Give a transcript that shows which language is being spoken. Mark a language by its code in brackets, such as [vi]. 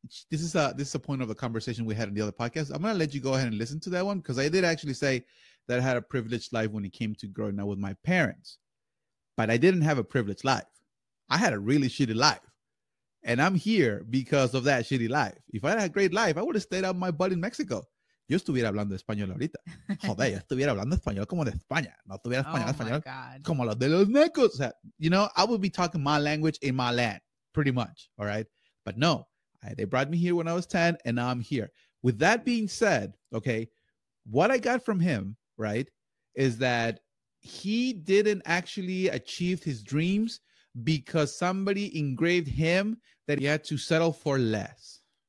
[en] This is a point of the conversation we had in the other podcast. I'm going to let you go ahead and listen to that one because I did actually say that I had a privileged life when it came to growing up with my parents. But I didn't have a privileged life. I had a really shitty life. And I'm here because of that shitty life. If I had a great life, I would have stayed out my butt in Mexico. [es] Yo estuviera hablando español ahorita. Joder, yo estuviera hablando español como de España. No estuviera español, oh español como los de los necos. [en] You know, I would be talking my language in my land, pretty much, all right? But no, they brought me here when I was 10, and now I'm here. With that being said, okay, what I got from him, right, is that he didn't actually achieve his dreams because somebody engraved him that he had to settle for less.